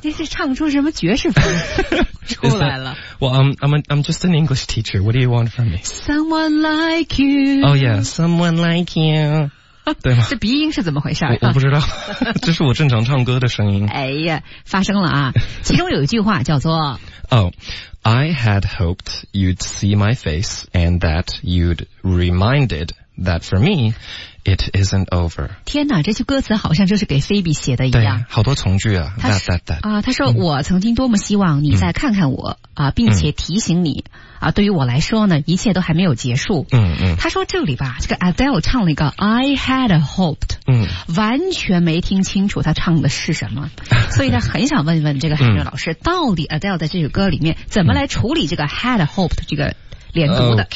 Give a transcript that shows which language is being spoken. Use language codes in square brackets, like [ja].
[zh] 这是唱出什么爵士风出来了。 [en] Well, I'm just an English teacher. What do you want from me? Someone like you. Oh, yeah, someone like you. [zh] 对吗？这鼻音是怎么回事？我不知道，这是我正常唱歌的声音。哎呀，发生了啊！其中有一句话叫做 [en] ：“Oh, I had hoped you'd see my face and that you'd reminded that for me, it isn't over。” [zh] 天哪，这句歌词好像就是给菲比写的一样，对，好多从句啊。 [en] That. [zh] 啊，他说、我曾经多么希望你再看看我、啊，并且提醒你。啊，对于我来说呢，一切都还没有结束。他说这里吧，这个 Adele 唱了一个 [en] I had hoped， [zh] 完全没听清楚他唱的是什么，所以他很想问问这个韩正老师，到底 Adele 在这首歌里面怎么来处理这个 [en] had hoped [zh] 这个连读的